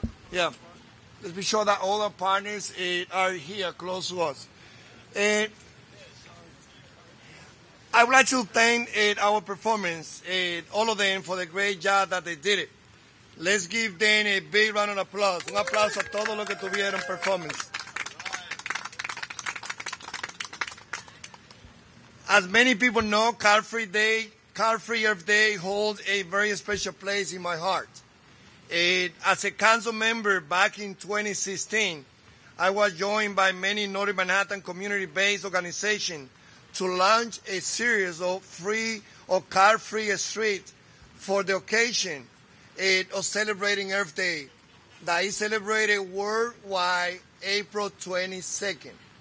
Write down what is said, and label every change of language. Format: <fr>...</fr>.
<en>Yeah. Let's be sure that all our partners are here, close to us. I would like to thank our performance, all of them, for the great job that they did it. Let's give them a big round of applause.</en> <es>Un aplauso a todos los que tuvieron performance.</es> <en>As many people know, Car Free Earth Day holds a very special place in my heart. As a council member back in 2016, I was joined by many North Manhattan community-based organizations to launch a series of car-free streets for the occasion of celebrating Earth Day that is celebrated worldwide April 22nd.</en>